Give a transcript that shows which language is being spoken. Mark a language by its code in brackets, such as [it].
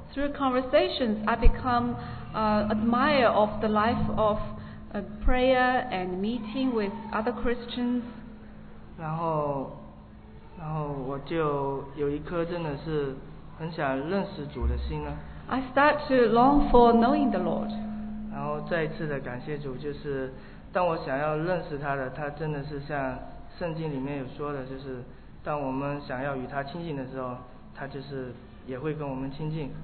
[en] Through conversations, I become admire of the life of prayer and meeting with other Christians. [zh] 然后我就有一颗真的是很想认识主的心了。 [en] I start to long for knowing the Lord. [zh] 然后再一次的感谢主，就是当我想要认识他的，他真的是像圣经里面有说的，就是当我们想要与他亲近的时候，他就是也会跟我们亲近。